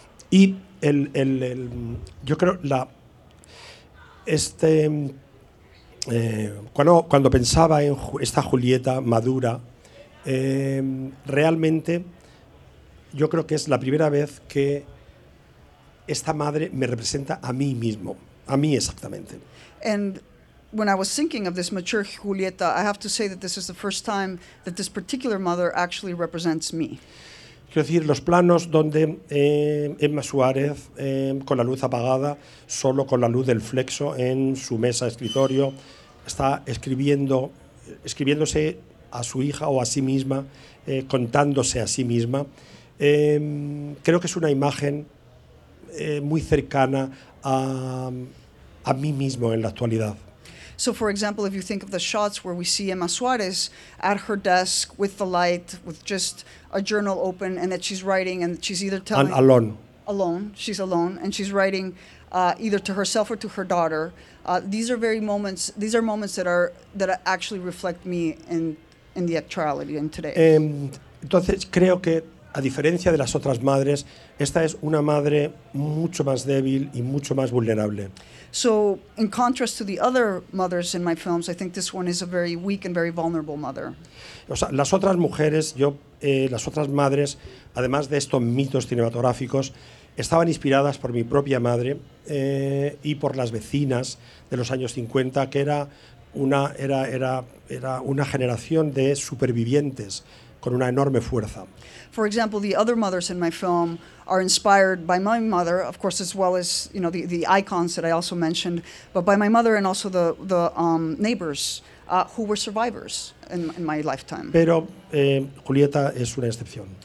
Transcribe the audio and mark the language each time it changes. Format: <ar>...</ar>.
<es>Y el yo creo la este cuando pensaba en esta Julieta madura, realmente yo creo que es la primera vez que esta madre me representa a mí mismo, a mí exactamente.</es> <en>And when I was thinking of this mature Julieta, I have to say that this is the first time that this particular mother actually represents me. Quiero decir, los planos donde Emma Suárez, con la luz apagada, solo con la luz del flexo en su mesa escritorio, está escribiéndose a su hija o a sí misma, contándose a sí misma, creo que es una imagen muy cercana a mí mismo en la actualidad. So, for example, if you think of the shots where we see Emma Suárez at her desk with the light, with just a journal open, and that she's writing, and she's either telling... And alone. Alone. She's alone, and she's writing either to herself or to her daughter. These are moments that actually reflect me in the actuality in today.</en> <es>Entonces, creo que, a diferencia de las otras madres, esta es una madre mucho más débil y mucho más vulnerable.</es> <en>So, in contrast to the other mothers in my films, I think this one is a very weak and very vulnerable mother.</en> <es>O sea, las otras mujeres, las otras madres, además de estos mitos cinematográficos, estaban inspiradas por mi propia madre y por las vecinas de los años 50, que era una generación de supervivientes con una enorme fuerza.</es> <en>For example, the other mothers in my film are inspired by my mother, of course, as well as, you know, the icons that I also mentioned, but by my mother and also the neighbors who were survivors in my lifetime.</en> <es>Pero Julieta es una excepción.</es>